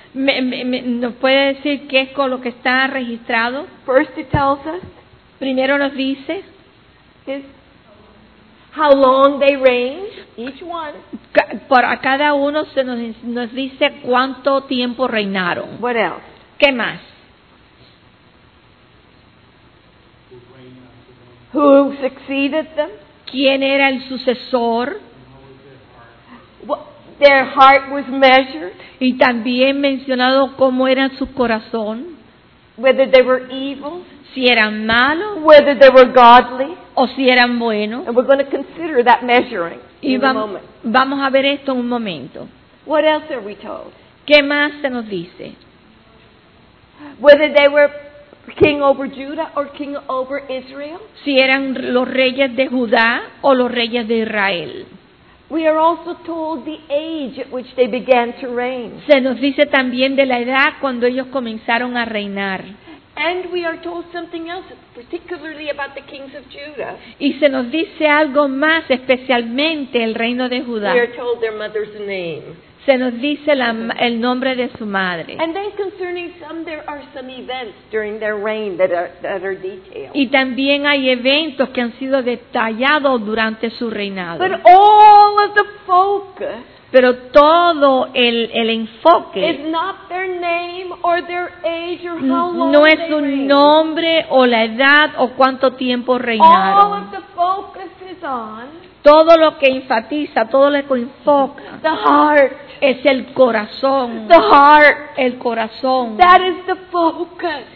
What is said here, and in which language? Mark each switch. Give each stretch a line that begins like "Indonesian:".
Spanish: ¿Nos puede decir qué es con lo que está registrado?
English: First it tells us.
Spanish: Primero nos dice.
English: Is how long they reigned, each one.
Spanish: Para cada uno se nos dice cuánto tiempo reinaron.
English: What else?
Spanish: ¿Qué más?
English: Who succeeded them?
Spanish: ¿Quién era el sucesor?
English: Their heart was measured.
Spanish: Y también mencionado cómo era su corazón.
English: Whether they were evil.
Spanish: Si eran malos.
English: Whether they were godly.
Spanish: O si eran buenos.
English: And we're going to consider that measuring in a moment.
Spanish: Vamos a ver esto en un momento.
English: What else are we told?
Spanish: ¿Qué más se nos dice?
English: Whether they were king over Judah or king over Israel.
Spanish: Si eran los reyes de Judá o los reyes de Israel.
English: We are also told the age at which they began to reign.
Spanish: Se nos dice también de la edad cuando ellos comenzaron a reinar.
English: And we are told something else, particularly about the kings of Judah.
Spanish: Y se nos dice algo más, especialmente el reino de Judá.
English: We are told their mother's name.
Spanish: Se nos dice el nombre de su madre.
English: And then concerning some, there are some events during their reign that are detailed.
Spanish: Y también hay eventos que han sido detallados durante su reinado.
English: But all of the focus.
Spanish: Pero todo el enfoque
English: is not their name or their age or how long.
Spanish: No es su nombre o la edad o cuánto tiempo reinaron.
English: All of the focus is on
Spanish: Todo lo que enfatiza, todo lo que enfoca.
English: The heart.
Spanish: Es el corazón.
English: The heart.
Spanish: El corazón.
English: That is the focus.